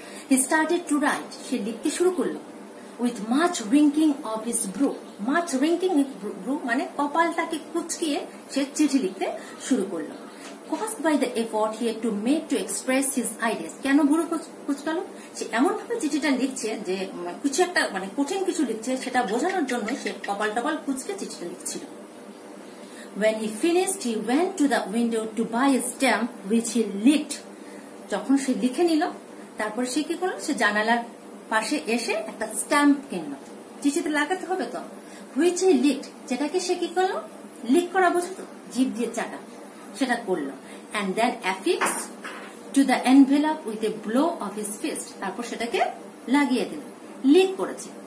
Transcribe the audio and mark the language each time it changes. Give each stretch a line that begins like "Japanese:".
English: he started to write,
Bangla: সে লিখতে শুরু করলো।
English: with much winking of his brow, much winking with brow
Bangla: মানে কপালটাকে কুচকিয়ে সে চিঠি লিখতে শুরু করলো।
English: cost by the effort he had to make to express his ideas,
Bangla: কেন ব্রু কুচকালো, সে এমন ভাবে চিঠিটা লিখছে যে কিছু একটা মানে কঠিন কিছু লিখছে, সেটা বোঝানোর জন্য সে কপাল টপাল কুচকে চিঠিটা লিখছিল।
English: When he finished, he went to the window to buy a stamp which he lit.
Bangla: যখন সে লিখে নিল, তারপর সে কি করলো, সে জানালার পাশে এসে একটা স্ট্যাম্প কিনল, চিঠিতে লাগাতে হবে তো,
English: which he lit,
Bangla: যেটাকে সে কি করলো, লিক করা বোঝো তো, জিভ দিয়ে চাটা, সেটা করলো।
English: and then affix to the envelope with a blow of his fist,
Bangla: তারপর সেটাকে লাগিয়ে দিল, লিক করেছে।